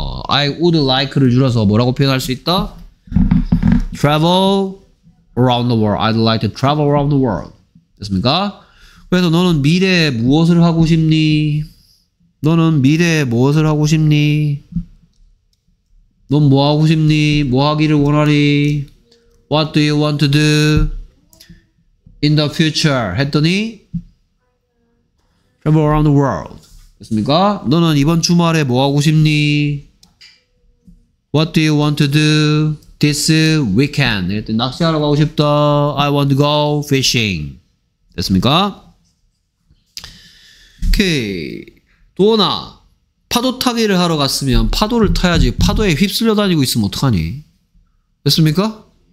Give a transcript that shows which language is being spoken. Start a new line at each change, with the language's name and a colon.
English: I would like를
Korean: 줄여서 뭐라고 표현할 수 있다?
English: Travel around the world. I'd like to travel around the world.
Korean: 됐습니까? 그래서 너는 미래에 무엇을 하고 싶니? 너는 미래에 무엇을 하고 싶니? 넌 뭐 하고 싶니? 뭐 하기를 원하니?
English: What do you want to do in the future?
Korean: 했더니
English: travel around the world.
Korean: 됐습니까? 너는 이번 주말에 뭐 하고 싶니?
English: What do you want to do this weekend?
Korean: 이랬더니 낚시하러 가고 싶다.
English: I want to go fishing.
Korean: 됐습니까? 오케이. 도원아, 파도 타기를 하러 갔으면 파도를 타야지. 파도에 휩쓸려 다니고 있으면 어떡하니? 됐습니까?